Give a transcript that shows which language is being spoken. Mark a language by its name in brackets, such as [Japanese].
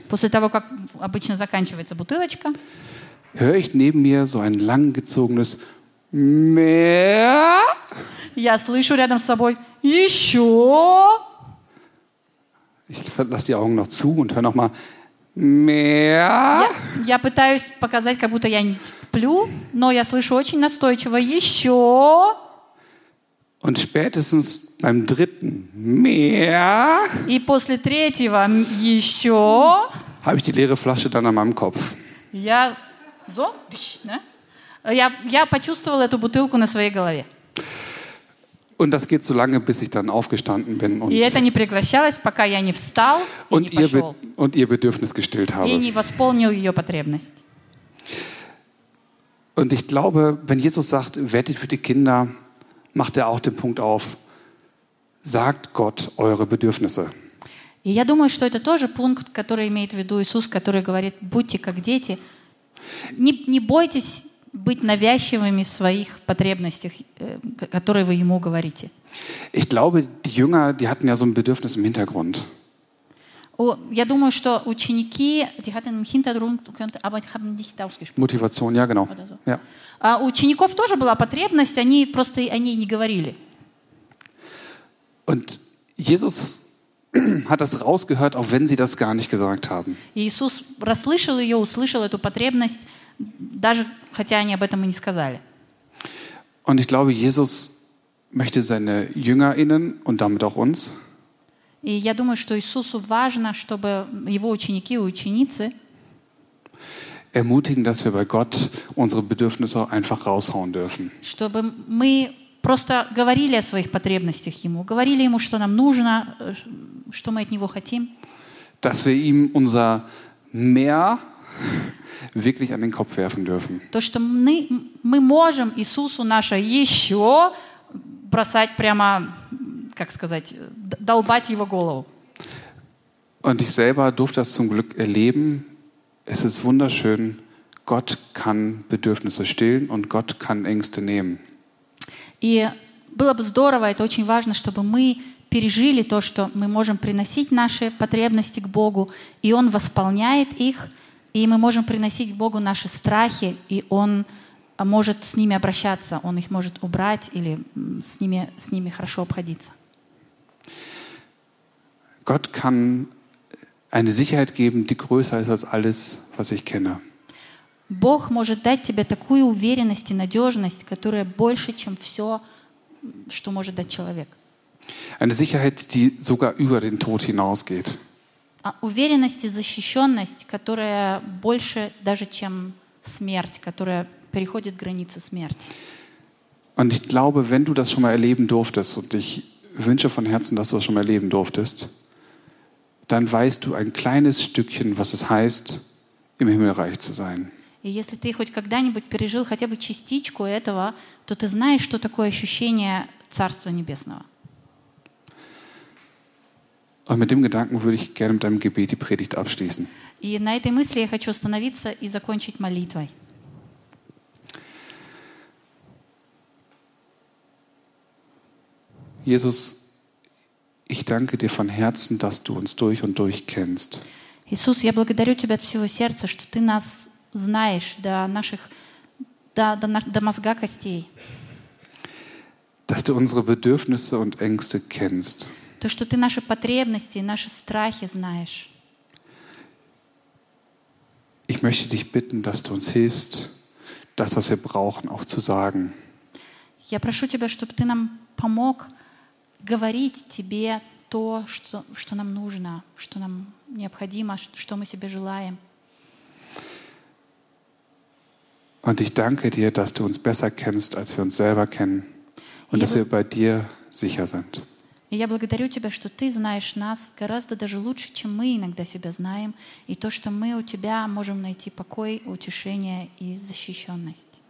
[Russian] После того, как обычно заканчивается бутылочка. [German] Höre ich neben mir so ein langgezogenes «Mehr?» [Russian] Я слышу рядом с собой «Еще?» [German] Ich lasse die Augen noch zu und höre noch mal «Mehr?» [Russian] Я пытаюсь показать, как будто я не сплю, но я слышу очень настойчиво «Еще?» [German] Und spätestens beim dritten «Mehr?» [Russian] И после третьего «Еще?» [German] Habe ich die leere Flasche dann an meinem Kopf. [Russian] Я... [German] So, ne? [Russian] Я почувствовала эту бутылку на своей голове. [German] Und das geht so lange, bis ich dann aufgestanden bin und [Russian] и это не прекращалось, пока я не встал [German] und [Russian] и не пошел. [German] Und ihr Bedürfnis gestillt habe. [Russian] И не восполнил ее потребность. [German] Und ich glaube, wenn Jesus sagt, werdet für die Kinder, macht er auch den Punkt auf, sagt Gott eure Bedürfnisse. [Russian] И я думаю, что это тоже пункт, который имеет в виду Иисус, который говорит, будьте как дети. Не бойтесь быть навязчивыми в своих потребностях, которые вы ему говорите. [German] Ich glaube, die Jünger, die hatten ja so ein Bedürfnis im Hintergrund. [Russian] Я думаю, что ученики, [German] die hatten im Hintergrund, aber haben nicht ausgesprochen. Motivation, ja, genau. So. Ja. [Russian] У учеников тоже была потребность, они просто о ней не говорили. [German] Und Jesus hat das rausgehört, auch wenn sie das gar nicht gesagt haben. [Russian] Иисус расслышал ее, услышал эту потребность, даже хотя они об этом и не сказали. [German] Und ich glaube, Jesus möchte seine JüngerInnen und damit auch uns. [Russian] И я думаю, что Иисусу важно, чтобы его ученики и ученицы [German] ermutigen, dass wir bei Gott unsere Bedürfnisse einfach raushauen dürfen. [Russian] Чтобы мы просто говорили о своих потребностях ему, говорили ему, что нам нужно, что мы от него хотим. [German] Dass wir ihm unser mehr wirklich an den Kopf werfen dürfen. [Russian] То, что мы можем Иисусу наше еще бросать прямо, как сказать, долбать его голову. [German] Und ich selber durfte das zum Glück erleben. Es ist wunderschön. Gott kann Bedürfnisse stillen und Gott kann Ängste nehmen. [Russian] И было бы здорово, это очень важно, чтобы мы пережили то, что мы можем приносить наши потребности к Богу, и Он восполняет их, и мы можем приносить к Богу наши страхи, и Он может с ними обращаться, Он их может убрать или с ними хорошо обходиться. [German] Gott kann eine Sicherheit geben, die größer ist als alles, was ich kenne. [Russian] Бог может дать тебе такую уверенность и надежность, которая больше, чем все, что может дать человек. [German] Eine Sicherheit, die sogar über den Tod hinausgeht. [Russian] Уверенность и защищенность, которая больше даже, чем смерть, которая переходит границы смерти. [German] Und ich glaube, wenn du das schon mal erleben durftest, und ich wünsche von Herzen, dass du das schon mal erleben durftest, dann weißt du ein kleines Stückchen, was es heißt, im Himmelreich zu sein. [Russian] И если ты хоть когда-нибудь пережил хотя бы частичку этого, то ты знаешь, что такое ощущение Царства Небесного. [German] Und mit dem Gedanken würde ich gerne mit deinem Gebet die Predigt abschließen. [Russian] И на этой мысли я хочу остановиться и закончить молитвой. [German] Jesus, ich danke dir von Herzen, dass du uns durch und durch kennst. [Russian] Иисус, я благодарю тебя от всего сердца, что ты нас знаешь до наших до мозга костей. [German] Dass du unsere Bedürfnisse und Ängste kennst. [Russian] То, что ты наши потребности и наши страхи знаешь. [German] Ich möchte dich bitten, dass du uns hilfst, das, was wir brauchen, auch zu sagen. [Russian] Я прошу тебя, чтобы ты нам помог говорить тебе то, что нам нужно, что нам необходимо, что мы себе желаем. [German] Und ich danke dir, dass du uns besser kennst, als wir uns selber kennen und dass wir bei dir sicher sind. [Russian] Я благодарю тебя, что ты знаешь нас гораздо даже лучше, чем мы иногда себя знаем, и то, что мы у тебя можем найти покой, утешение и защищенность.